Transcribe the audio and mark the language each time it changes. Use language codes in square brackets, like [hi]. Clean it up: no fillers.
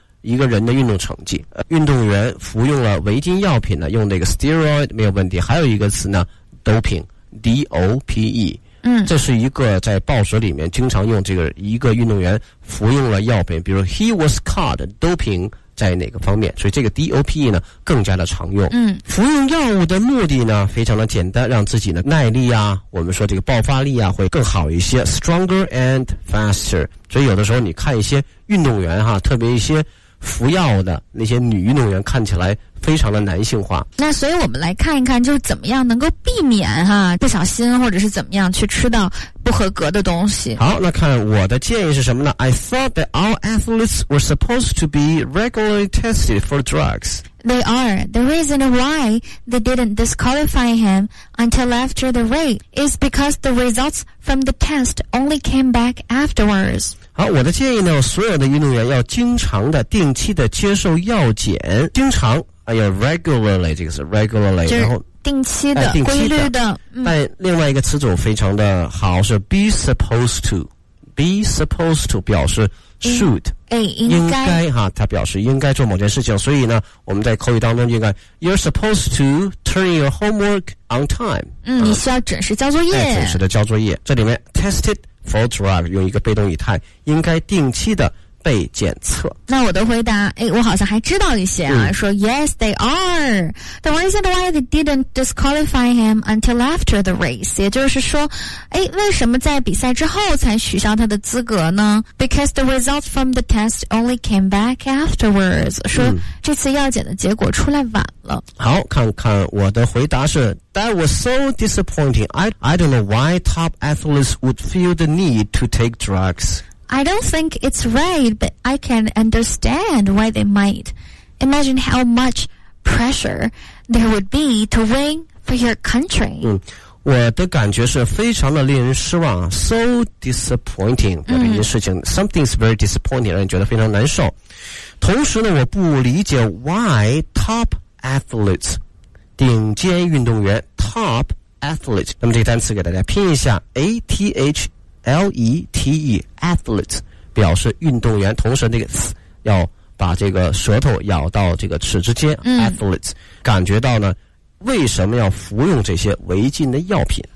[zh] 一个人的运动成绩。运动员服用了违禁药品呢，用这个 steroid 没有问题。还有一个词呢 ，doping， D O P E。嗯，这是一个在报纸里面经常用这个一个运动员服用了药品，比如 [en] he was caught doping [zh] 在哪个方面，所以这个 DOPE 呢更加的常用。嗯，服用药物的目的呢非常的简单，让自己的耐力啊，我们说这个爆发力啊会更好一些， [en] stronger and faster。 [zh] 所以有的时候你看一些运动员哈，特别一些服药的那些女运动员看起来非常的男性化。那所以我们来看一看，就是怎么样能够避免哈不小心或者是怎么样去吃到不合格的东西。好，那看我的建议是什么呢？ [en] I thought that all athletes were supposed to be regularly tested for drugs. They are. The reason why they didn't disqualify him until after the race is because the results from the test only came back afterwards. [zh] 好，我的建议呢，所有的运动员要经常的、定期的接受药检，经常，哎呀 ，regularly 这个是 regularly， 然后定期的、规律的。但另外一个词组非常的好，是 [en] be supposed to， [zh] be supposed to 表示 should，应该哈，它表示应该做某件事情。所以呢，我们在口语当中应该 [en] you're supposed to turn your homework on time。 [zh] 嗯，你需要准时交作业。准时的交作业，这里面 tested。For drug 用一个被动语态，应该定期的被检测。那我的回答，哎，我好像还知道一些啊，说 [en] Yes, they are. The reason why they didn't disqualify him until after the race， [zh] 也就是说，哎，为什么在比赛之后才取消他的资格呢？ [en] Because the results from the test only came back afterwards， [zh] 说这次药检的结果出来晚了。好，看看我的回答是。 [en] That was so disappointing. I don't know why top athletes would feel the need to take drugs. I don't think it's right, but I can understand why they might. Imagine how much pressure there would be to win for your country. [zh] 我的感觉是非常的令人失望。 [en] So disappointing. [zh] 表示一件事情。 [en] Something's very disappointing, [zh] 让你觉得非常难受。同时呢，我不理解 [en] why top athletes, [zh] 顶尖运动员 top athlete， 那么这个单词给大家拼一下 athlete， athlete 表示运动员，同时那个词要把这个舌头咬到这个齿之间、athlete 感觉到呢为什么要服用这些违禁的药品。